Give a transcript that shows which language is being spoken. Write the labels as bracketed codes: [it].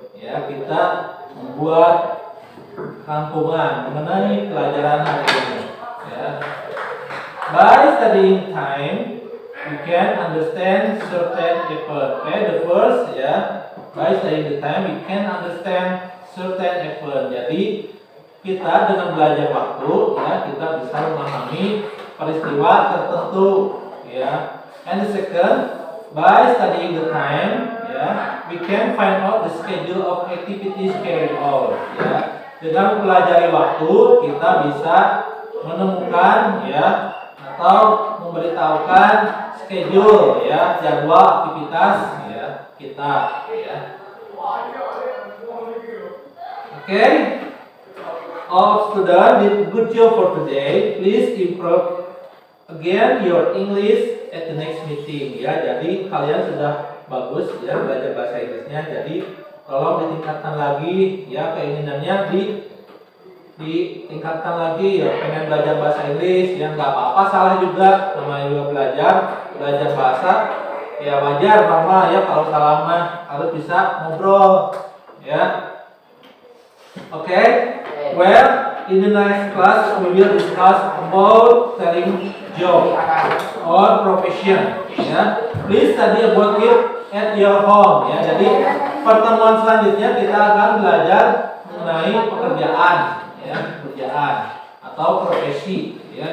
[id] Ya, kita membuat rangkuman mengenai pelajaran hari ini. Ya. [en] By studying time, you can understand certain effort. Okay, the first, ya, by studying the time, you can understand certain effort. [id] Jadi, kita dengan belajar waktu, ya, kita bisa memahami peristiwa tertentu. Ya. [en] And the second, by studying the time, ya, we can find out the schedule of activities carried out. [id] Ya. Dengan pelajari waktu, kita bisa menemukan, ya, atau memberitahukan schedule, ya, jadwal aktivitas, ya, kita, ya. [en] Okay, all student did good job for today. Please improve again your English at the next meeting, ya. [id] Jadi kalian sudah bagus, ya, belajar bahasa Inggrisnya. Jadi tolong ditingkatkan lagi, ya, keinginannya ditingkatkan lagi, ya, pengen belajar bahasa Inggris, ya, nggak apa-apa, salah juga, namanya juga belajar bahasa, ya, wajar, normal, ya, kalau salah mah harus bisa ngobrol, ya. [en] Okay, well, in the next class we will discuss about telling job or profession, ya. Please study about it at your home, ya. [id] Jadi pertemuan selanjutnya kita akan belajar mengenai pekerjaan, ya, pekerjaan atau profesi, ya.